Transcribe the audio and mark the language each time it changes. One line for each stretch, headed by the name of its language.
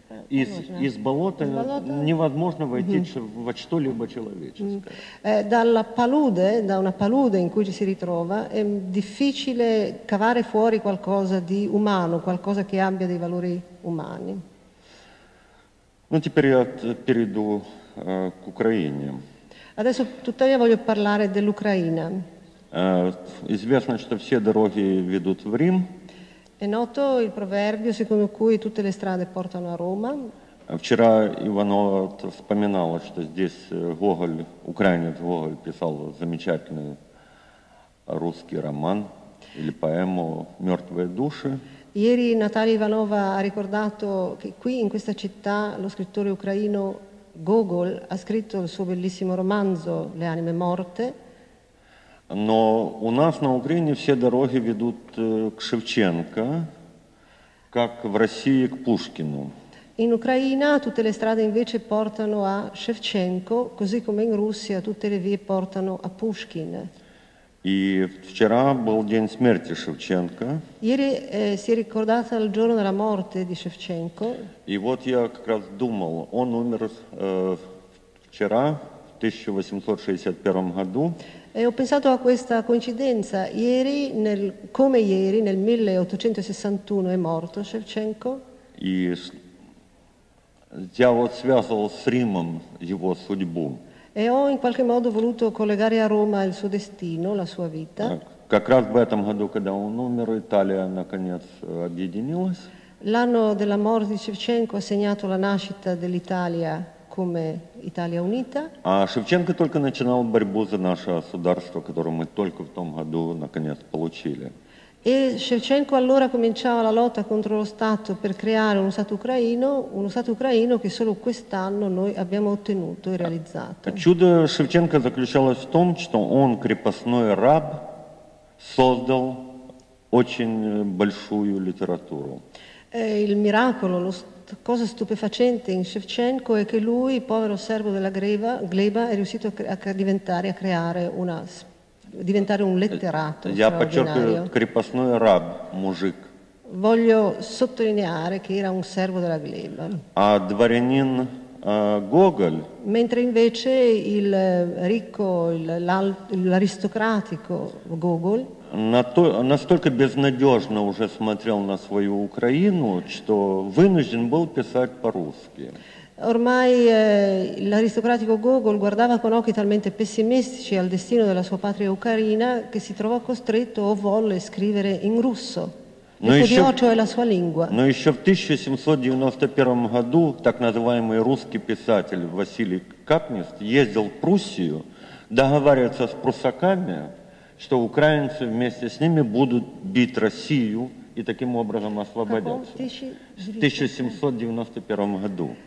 Russian: Из болота невозможно войти во что-либо человеческое.
Italian: Dalla palude, da una palude in cui ci si ritrova, è difficile cavare fuori qualcosa di umano, qualcosa che abbia dei valori umani.
Russian: Ну, теперь я перейду к Украине.
Italian: Adesso, tuttavia, voglio parlare dell'Ucraina.
Russian: Известно, что все дороги ведут в Рим.
Italian: È noto il proverbio secondo cui tutte le strade portano a Roma.
Russian: Вчера Иванова вспоминала, что здесь Гоголь, украинец Гоголь, писал замечательный русский роман или поэму «Мертвые души».
Italian: Ieri Natalia Ivanova ha ricordato che qui in questa città lo scrittore ucraino Gogol ha scritto il suo bellissimo romanzo Le anime morte.
Russian: Но у нас на Украине все дороги ведут к Шевченко, как в России к Пушкину.
Italian: In Ucraina tutte le strade invece portano a Шевченко, così come in Russia tutte le vie portano a Pushkin.
Russian: И вчера был день смерти Шевченко.
Italian: Ieri si è ricordato il giorno della morte di Шевченко.
Russian: И вот я как раз думал, он умер вчера, в 1861 году.
Italian: E ho pensato a questa coincidenza. Ieri, come ieri, nel 1861 è morto Шевченко.
Russian: И я вот связывал с Римом его судьбу.
Italian: E ho in qualche modo voluto collegare a Roma il suo destino, la sua vita.
Russian: Как раз в этом году, когда он умер, Италия наконец объединилась.
Italian: L'anno della morte di Шевченко ha segnato la nascita dell'Italia come Italia unita.
Russian: А Шевченко только начинал борьбу за наше государство, которое мы только в том году наконец получили.
Italian: E Шевченко allora cominciava la lotta contro lo Stato per creare uno Stato ucraino che solo quest'anno noi abbiamo ottenuto e realizzato.
Russian: Чудо Шевченко заключалось в том, что он крепостной раб создал очень большую литературу.
Italian: Il miracolo, la cosa stupefacente in Шевченко è che lui, povero servo della gleba, è riuscito a diventare un letterato straordinario.
Russian: Крепостной раб, мужик.
Italian: Voglio sottolineare che era un servo della gleba.
Russian: А дворянин Гоголь.
Italian: Mentre invece il ricco, l'aristocratico Гоголь.
Russian: Настолько безнадежно уже смотрел на свою Украину, что вынужден был писать по-русски.
Italian: Ormai l'aristocratico Gogol guardava con occhi talmente pessimistici al destino della sua patria ucraina che si trovò costretto o volle scrivere in russo, e studiò cioè la sua lingua.
Russian: Но еще в 1791 году так называемый русский писатель Василий Капнист ездил в Пруссию договариваться с пруссаками, что украинцы вместе с ними будут бить Россию и таким образом освободятся. В 1791 году.